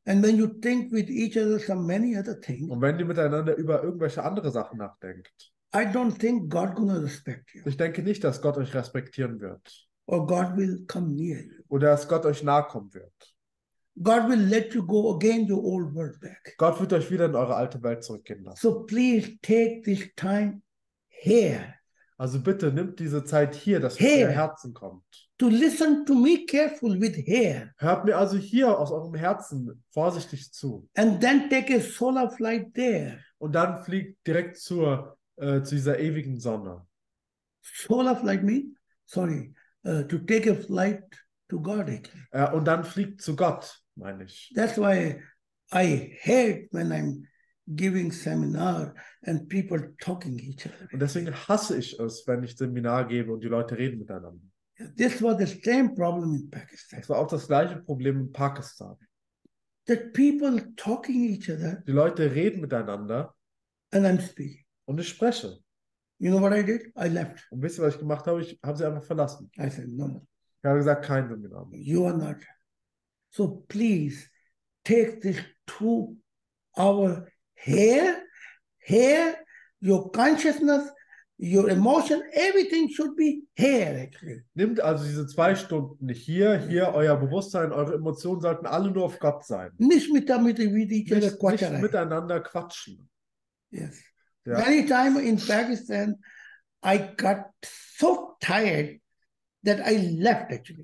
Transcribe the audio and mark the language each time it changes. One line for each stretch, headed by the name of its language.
English: And when you think with each other some many other things.
German: Und wenn ihr miteinander über irgendwelche andere Sachen nachdenkt.
English: I don't think God gonna respect you.
German: Ich denke nicht, dass Gott euch respektieren wird.
English: Or God will come near you.
German: Oder dass Gott euch nahe kommen wird.
English: God will let you go again your old world back.
German: Gott wird euch wieder in eure alte Welt zurückgehen lassen.
English: So please take this time here.
German: Also bitte nimmt diese Zeit hier, dass hier euer Herzen kommt.
English: To listen to me carefully with here.
German: Hört mir also hier aus eurem Herzen vorsichtig zu.
English: And then take a solar flight there.
German: Und dann fliegt direkt zur zu dieser ewigen Sonne.
English: Solar flight me? Sorry. To take a flight to God.
German: Und dann fliegt zu Gott, meine ich.
English: That's why I hate when I'm giving seminar and people talking each other.
German: Und deswegen hasse ich es, wenn ich Seminar gebe und die Leute reden miteinander.
English: This was the same problem in Pakistan.
German: Das war auch das gleiche Problem in Pakistan.
English: That people talking each other.
German: Die Leute reden miteinander.
English: And I'm speaking.
German: Und ich spreche.
English: You know what I did? I left.
German: Und wisst ihr, was ich gemacht habe? Ich habe sie einfach verlassen.
English: I said no.
German: Ich habe gesagt, kein Seminar.
English: You are not. So please take this 2 hour. Here, your consciousness, your emotion, everything should be here.
German: Nehmt also diese 2 Stunden hier, euer Bewusstsein, eure Emotionen sollten alle nur auf Gott sein. Nicht miteinander quatschen.
English: Yes. Ja. Many times in Pakistan, I got so tired that I left actually.